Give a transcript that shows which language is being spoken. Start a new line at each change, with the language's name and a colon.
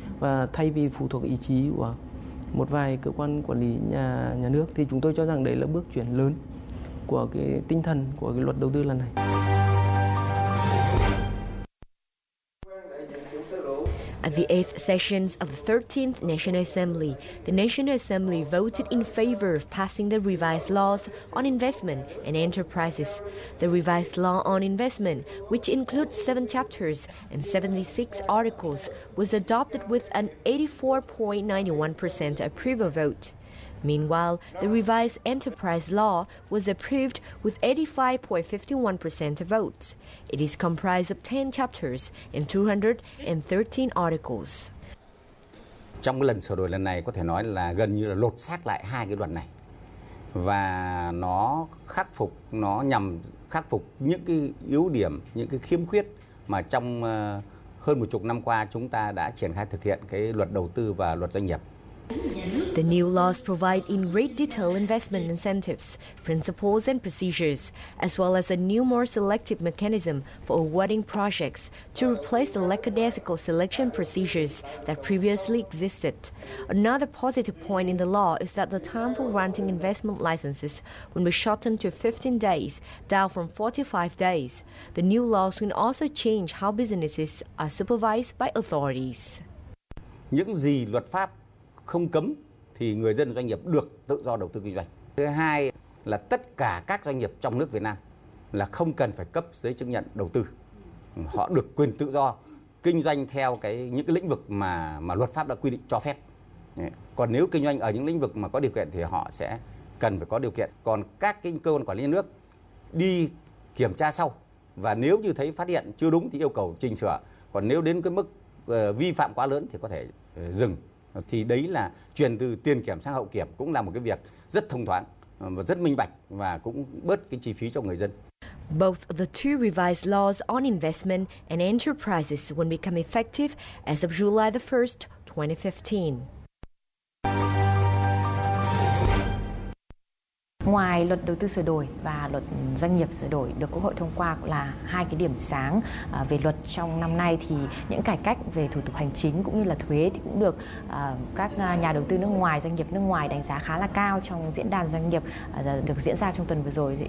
Vietnamese: Và thay vì phụ thuộc ý chí của một vài cơ quan quản lý nhà nước thì chúng tôi cho rằng đấy là bước chuyển lớn của cái tinh thần của cái luật đầu tư lần này.
English: At the 8th session of the 13th National Assembly, the National Assembly voted in favor of passing the revised laws on investment and enterprises. The revised law on investment, which includes 7 chapters and 76 articles, was adopted with an 84.91% approval vote. Meanwhile, the revised enterprise law was approved with 85.51% of votes. It is comprised of 10 chapters and 213 articles.
Vietnamese: Trong cái lần sửa đổi lần này có thể nói là gần như là lột xác lại hai cái luật này. Và nó nhằm khắc phục những cái yếu điểm, những cái khiếm khuyết mà trong hơn một chục năm qua chúng ta đã triển khai thực hiện cái luật đầu tư và luật doanh nghiệp.
English: The new laws provide in great detail investment incentives, principles and procedures, as well as a new more selective mechanism for awarding projects to replace the lackadaisical selection procedures that previously existed. Another positive point in the law is that the time for granting investment licenses will be shortened to 15 days, down from 45 days. The new laws will also change how businesses are supervised by authorities.
Vietnamese: Những gì luật pháp không cấm thì người dân doanh nghiệp được tự do đầu tư kinh doanh. Thứ hai là tất cả các doanh nghiệp trong nước Việt Nam là không cần phải cấp giấy chứng nhận đầu tư. Họ được quyền tự do kinh doanh theo những cái lĩnh vực mà luật pháp đã quy định cho phép. Còn nếu kinh doanh ở những lĩnh vực mà có điều kiện thì họ sẽ cần phải có điều kiện. Còn các cái cơ quan quản lý nhà nước đi kiểm tra sau và nếu như thấy phát hiện chưa đúng thì yêu cầu chỉnh sửa. Còn nếu đến cái mức vi phạm quá lớn thì có thể dừng. Thì đấy là chuyển từ tiền kiểm sang hậu kiểm cũng là một cái việc rất thông thoáng và rất minh bạch và cũng bớt cái chi phí cho người dân.
English: Both the two revised laws on investment and enterprises will become effective as of July the 1st, 2015.
Vietnamese: Ngoài luật đầu tư sửa đổi và luật doanh nghiệp sửa đổi được Quốc hội thông qua là hai cái điểm sáng về luật trong năm nay, thì những cải cách về thủ tục hành chính cũng như là thuế thì cũng được các nhà đầu tư nước ngoài, doanh nghiệp nước ngoài đánh giá khá là cao trong diễn đàn doanh nghiệp được diễn ra trong tuần vừa rồi.